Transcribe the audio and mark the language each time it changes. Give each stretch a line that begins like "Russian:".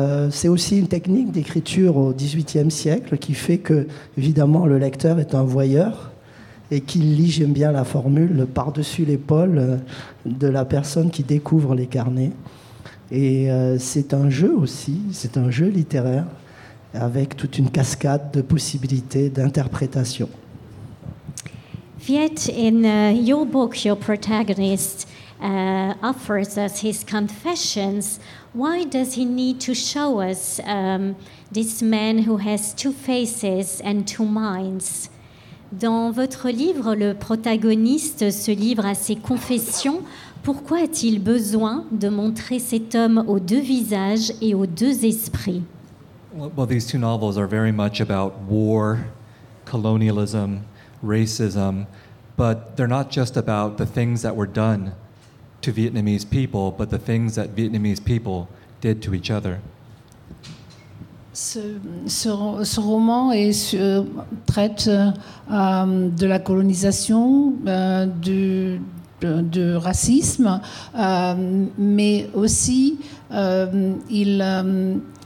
French: C'est aussi une technique d'écriture au XVIIIe siècle qui fait que, évidemment, le lecteur est un voyeur et qu'il lit, j'aime bien la formule, par-dessus l'épaule de la personne qui découvre les carnets. Et c'est un jeu aussi, c'est un jeu littéraire avec toute une cascade de possibilities d'interprétation.
English: Viet, in your book, your protagonist offers us his confessions. Why does he need to show us this man who has two faces and two minds?
French: Dans votre livre, le protagoniste se livre à ses confessions. Pourquoi a-t-il besoin de montrer cet homme aux deux visages et aux deux esprits?
English: Well, these two novels are very much about war, colonialism, racism, but they're not just about the things that were done to Vietnamese people, but the things that Vietnamese people did to each other.
French: Ce roman traite de la colonisation, de racisme, mais aussi il.